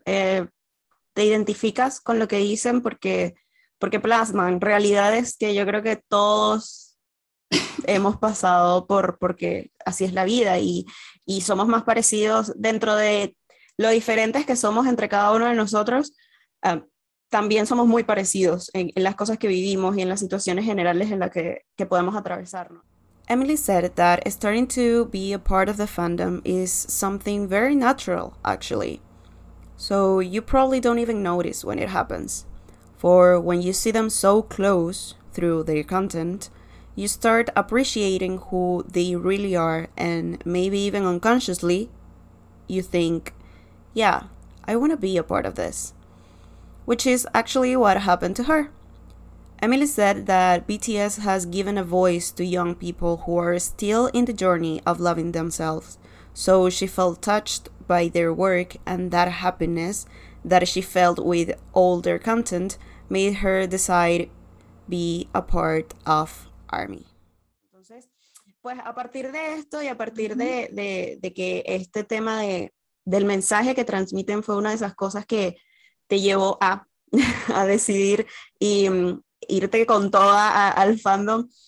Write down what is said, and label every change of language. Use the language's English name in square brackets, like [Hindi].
[Spanish] Te identificas con lo que dicen porque plasman realidades que yo creo que todos hemos pasado porque así es la vida y somos más parecidos dentro de lo diferentes que somos entre cada uno de nosotros. También somos muy parecidos en las cosas que vivimos y en las situaciones generales en las que podemos atravesarnos. [English] Emily said that starting to be a part of the fandom is something very natural, actually. So you probably don't even notice when it happens. For when you see them so close through their content, you start appreciating who they really are, and maybe even unconsciously, you think, yeah, I want to be a part of this. Which is actually what happened to her. Emily said that BTS has given a voice to young people who are still in the journey of loving themselves, so she felt touched by their work, and that happiness that she felt with older content made her decide to be a part of ARMY. [Spanish] Entonces, pues a partir de esto y a partir de que este tema del mensaje que transmiten fue una de esas cosas que te llevó a decidir y irte con toda al fandom.